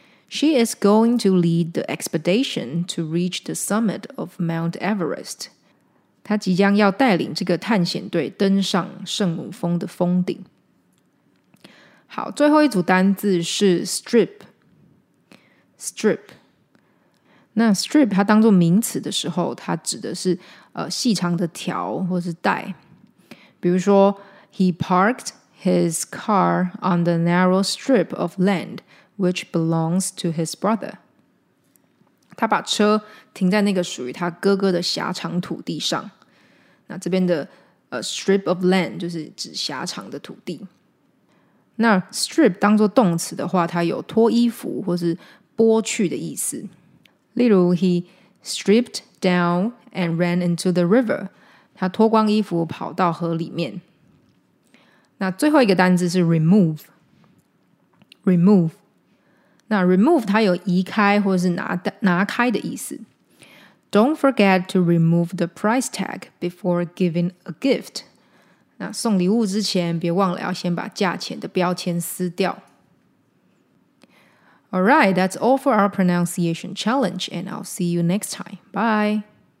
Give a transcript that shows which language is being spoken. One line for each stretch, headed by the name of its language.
English: She is going to lead the expedition to reach the summit of Mount Everest.
Chinese: 她即将要带领这个探险队登上圣母峰的峰顶。好，最后一组单字是 strip。strip。那 strip 它当作名词的时候，它指的是细长的条或是带。比如说
English: ，He parked his car on the narrow strip of land. Which belongs to his brother.
Chinese: 他把车停在那个属于他哥哥的狭长土地上。那这边的strip of land 就是指狭长的土地。那 strip 当作动词的话，它有脱衣服或是剥去的意思。例如
English: ，He stripped down and ran into the river.
Chinese: 他脱光衣服跑到河里面。那最后一个单字是 remove。remove。那 remove 它有移开或是 拿开的意思。
English: Don't forget to remove the price tag before giving a gift.
Chinese: 那送礼物之前别忘了要先把价钱的标签撕掉。
English: Alright, that's all for our pronunciation challenge and I'll see you next time. Bye!